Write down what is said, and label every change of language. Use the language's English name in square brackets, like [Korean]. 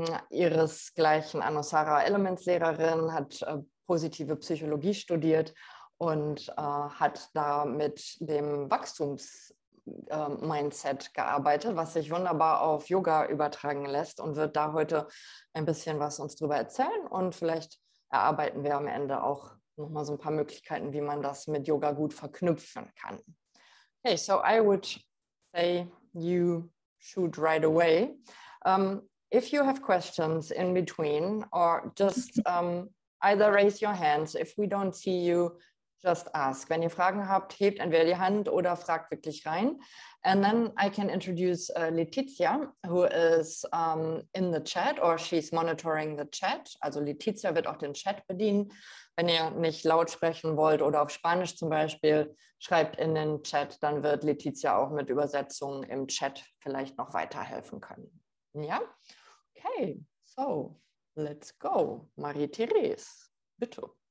[German] Ihresgleichen Anusara Elementslehrerin, hat positive Psychologie studiert und hat da mit dem Wachstumsmindset gearbeitet, was sich wunderbar auf Yoga übertragen lässt, und wird da heute ein bisschen was uns drüber erzählen, und vielleicht erarbeiten wir am Ende auch nochmal so ein paar Möglichkeiten, wie man das mit Yoga gut verknüpfen kann. [English] Okay, so I would say you shoot right away. If you have questions in between, or just either raise your hands. If we don't see you, just ask. [German] Wenn ihr Fragen habt, hebt entweder die Hand oder fragt wirklich rein. [English] And then I can introduce Letizia, who is in the chat, or she's monitoring the chat. [German] Also Letizia wird auch den Chat bedienen. Wenn ihr nicht laut sprechen wollt oder auf Spanisch zum Beispiel, schreibt in den Chat, dann wird Letizia auch mit Übersetzungen im Chat vielleicht noch weiterhelfen können. [English] Yeah. Okay. So let's go. [German] Marietheres, bitte.